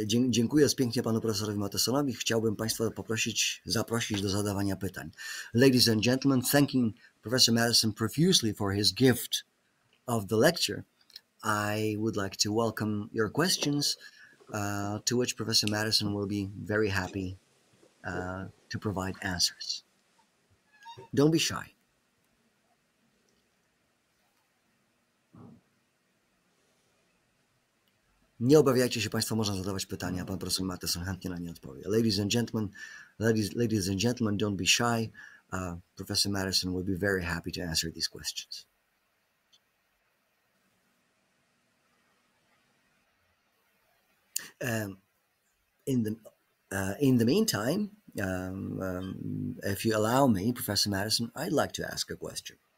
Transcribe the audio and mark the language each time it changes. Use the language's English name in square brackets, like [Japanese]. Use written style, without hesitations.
[Polish] Dziękuję pięknie panu profesorowi Mattesonowi. Chciałbym państwa poprosić, zaprosić do zadawania pytań. [English] Ladies and gentlemen, thanking Professor Madison profusely for his gift of the lecture, I would like to welcome your questions, to which Professor Madison will be very happy to provide answers. Don't be shy. [Polish] Nie obawiajcie się państwo, można zadawać pytania, pan profesor Mattesson chętnie na nie odpowie. [English] Ladies and gentlemen, ladies and gentlemen, don't be shy. Professor Mattesson will be very happy to answer these questions. In the meantime, if you allow me, Professor Mattesson, I'd like to ask a question.